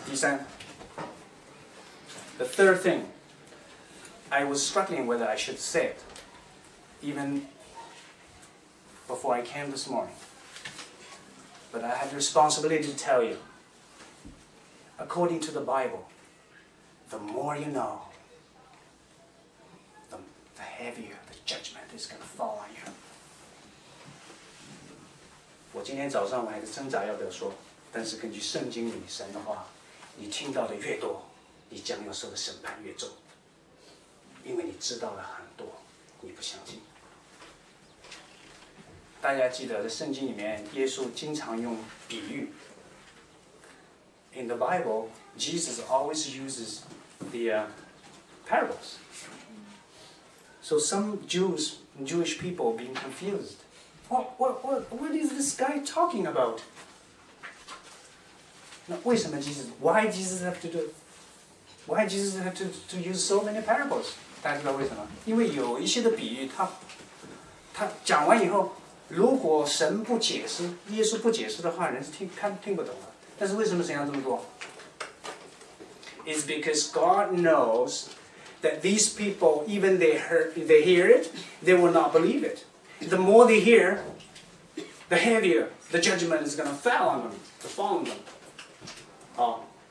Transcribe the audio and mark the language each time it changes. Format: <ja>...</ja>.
<zh>第三</zh> <en>，the third thing， I was struggling whether I should say it， even before I came this morning， but I have responsibility to tell you。 According to the Bible, the more you know, the heavier the judgment is going to fall on you.</en> <zh>我今天早上我还是挣扎要不要说，但是根据圣经里神的话，你听到的越多，你将要受的审判越重，因为你知道了很多，你不相信。大家记得在圣经里面，耶稣经常用比喻。</zh> <en>In the Bible, Jesus always uses the parables. So some Jewish people being confused. What is this guy talking about?</en> <zh>那为什么</zh> <en>Jesus? Why Jesus have to use so many parables?</en> <zh>大家知道为什么？因为有一些的比喻，他讲完以后，如果神不解释，耶稣不解释的话，人是听不懂的。但是为什么神要这么做？</zh> <en>It's because God knows that these people, even they hear it, they will not believe it. The more they hear, the heavier the judgment is going to fall on them, to fall on them.</en>